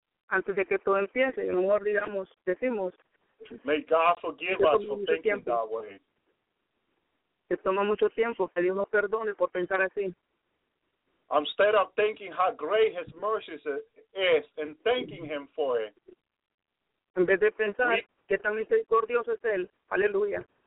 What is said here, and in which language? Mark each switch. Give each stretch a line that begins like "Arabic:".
Spanish: Antes de que todo empiece, a lo mejor digamos, decimos.
English: May God forgive us for thinking that way.
Spanish: Que toma mucho tiempo, que Dios nos perdone por pensar así.
English: Instead of thinking how great His mercy is and thanking Him for it.
Spanish: En vez de pensar qué tan misericordioso es Él, aleluya.